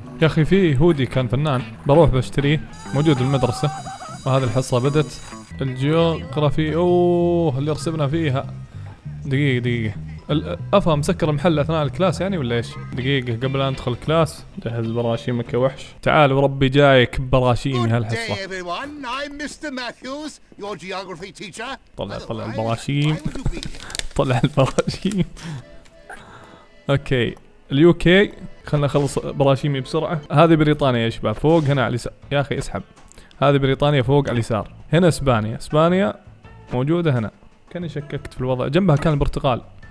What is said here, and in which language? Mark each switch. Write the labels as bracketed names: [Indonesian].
[Arabic] يا أخي في هودي كان فنان بروح بشتريه موجود بالمدرسة. وهذه الحصة بدت. الجيوغرافي أوه اللي رسبنا فيها. دقيقة أفهم مسكر المحل أثناء الكلاس يعني ولا إيش؟ دقيقة قبل أن أدخل الكلاس جهز براشيمك يا وحش. تعال وربي جايك براشيمي هالحصة. [English] Good day everyone, I'm Mr. Matthews, your geography teacher. [Arabic] طلع البراشيم. طلع البراشيم. أوكي اليوكي خلنا نخلص براشيمي بسرعة. هذه بريطانيا يا شباب فوق هنا على اليسار. يا أخي اسحب. هذه بريطانيا فوق على اليسار. هنا إسبانيا. إسبانيا موجودة هنا. كأني شككت في الوضع. جنبها كان البرتغال.